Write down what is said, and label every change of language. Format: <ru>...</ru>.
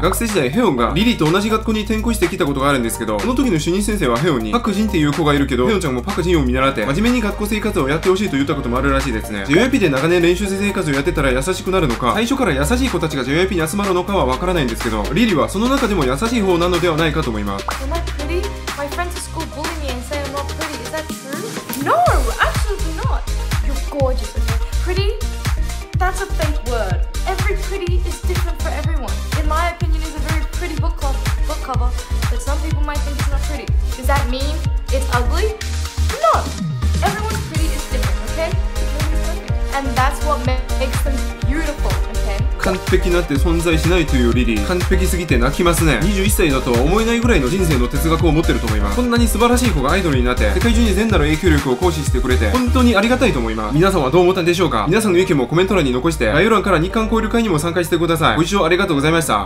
<ja>学生時代ヘヨンがリリーと同じ学校に転校してきたことがあるんですけど、その時の主任先生はヘヨンに、パクジンっていう子がいるけどヘヨンちゃんもパクジンを見習って真面目に学校生活をやってほしいと言ったこともあるらしいですね。 JYP で長年練習生生活をやってたら優しくなるのか、最初から優しい子たちが JYP に集まるのかはわからないんですけど、リリーはその中でも優しい方なのではないかと思います。</ja> <en>Am I pretty? My friends at school bully me and say I'm not pretty. Is that true? No! Absolutely not! You're gorgeous. Pretty? That's a fake word. Every pretty is different for everyone. In my opinion, it's a very pretty book cover, but some people might think it's not pretty. Does that mean it's ugly? No! Everyone's pretty is different, okay? And that's what makes them beautiful, okay?</en> <ja>完璧なんて存在しないというリリー、完璧すぎて泣きますね。 21歳だとは思えないぐらいの人生の哲学を持ってると思います。こんなに素晴らしい子がアイドルになって世界中に全なる影響力を行使してくれて本当にありがたいと思います。皆さんはどう思ったんでしょうか。皆さんの意見もコメント欄に残して、概要欄から日韓交流会にも参加してください。ご視聴ありがとうございました。</ja>